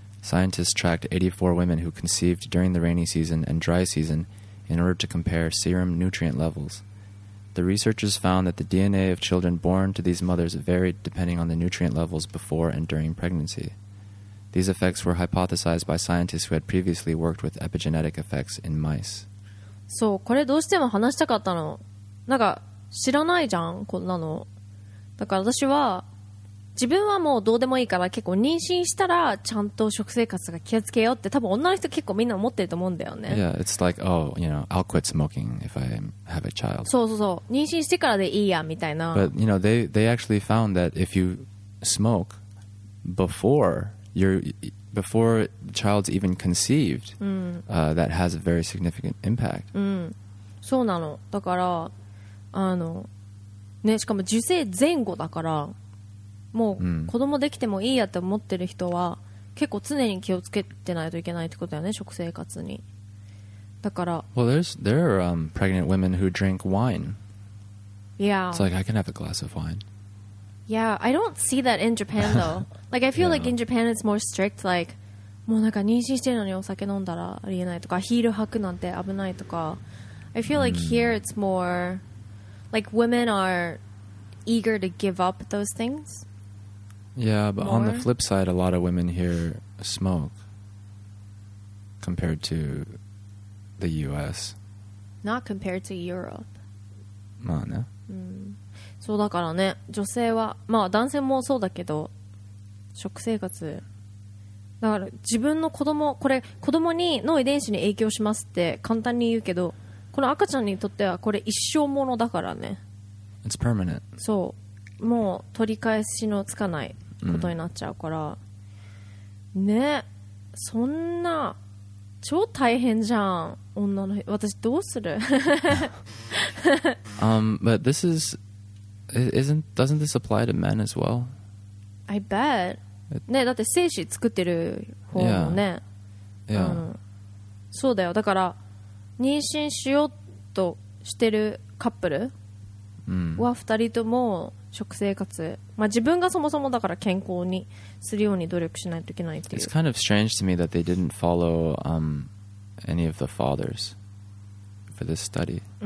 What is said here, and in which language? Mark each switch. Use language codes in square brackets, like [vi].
[en] Scientists tracked 84 women who conceived during the rainy season and dry season in order to compare serum nutrient levels. The researchers found that the DNA of children born to these mothers varied depending on the nutrient levels before and during pregnancy. These effects were hypothesized by scientists who had previously worked with epigenetic effects in mice. [ja] So, これどうしても話したかったの?なんか知らないじゃんこんなの。だから私は自分はもうどうでもいいから、結構妊娠したらちゃんと食生活が気をつけようって多分女の人結構みんな思ってると思うんだよね。 [en] Yeah, it's like, oh, you know, I'll quit smoking if I have a child. [ja] そうそうそう、妊娠してからでいいやみたいな。 [en] But, you know, they actually found that if you smoke before the child's even conceived、 [ja] うん、 [en] that has a very significant impact、 [ja] うん、そうなの。だからあのね、しかも受精前後だからもう子供できてもいいやって思ってる人は、うん、結構常に気をつけてないといけないってことだよね、食生活に。だから [en] Well, there are pregnant women who drink wine. Yeah. It's like, I can have a glass of wine. Yeah, I don't see that in Japan though. Like, I feel yeah. like in Japan it's more strict. [ja] Like, もうなんか妊娠してるのにお酒飲んだらありえないとか、ヒール履くなんて危ないとか。 [en] I feel like、うん、here it's moreLike, women are eager to give up those things. Yeah, but、more? On the flip side, a lot of women here smoke compared to the U.S. Not compared to Europe. [ja] まあね。うん。そうだからね、女性は、まあ男性もそうだけど、食生活。だから自分の子供、これ子供にの遺伝子に影響しますって簡単に言うけど、この赤ちゃんにとってはこれ一生ものだからね。 [en] It's permanent. [ja] そう、もう取り返しのつかないことになっちゃうから、mm. ね、そんな超大変じゃん女の私どうする。 [en] but this is isn't doesn't this apply to men as well? I bet. [ja] ね、だって精子作ってる方もね。 [en] Yeah. Yeah. [ja] そうだよ。だから。妊娠しようとしてるカップルは二人とも食生活、うん、まあ自分がそもそもだから健康にするように努力しないといけないっていう。 [en] It's kind of strange to me that they didn't follow、any of the fathers for this study.